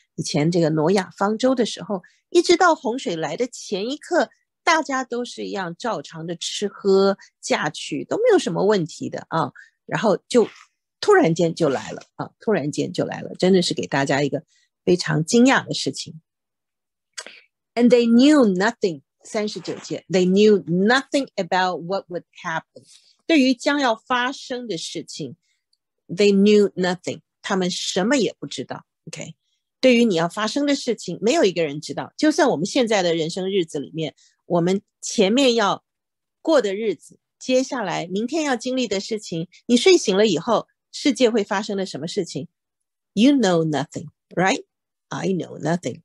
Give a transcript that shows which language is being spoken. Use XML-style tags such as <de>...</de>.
<zh>以前这个挪亚方舟的时候，一直到洪水来的前一刻，大家都是一样照常的吃喝嫁娶，都没有什么问题的啊。然后就突然间就来了啊，突然间就来了，真的是给大家一个非常惊讶的事情。</zh> <en>And they knew nothing.</en> <zh>39节</zh> <en>They knew nothing about what would happen.</en> <zh>对于将要发生的事情</zh> <en>They knew nothing.</en> <zh>他们什么也不知道 OK， 对于你要发生的事情没有一个人知道。就算我们现在的人生日子里面，我们前面要过的日子，接下来明天要经历的事情，你睡醒了以后世界会发生的什么事情，</zh> <en>You know nothing, right? I know nothing.</en>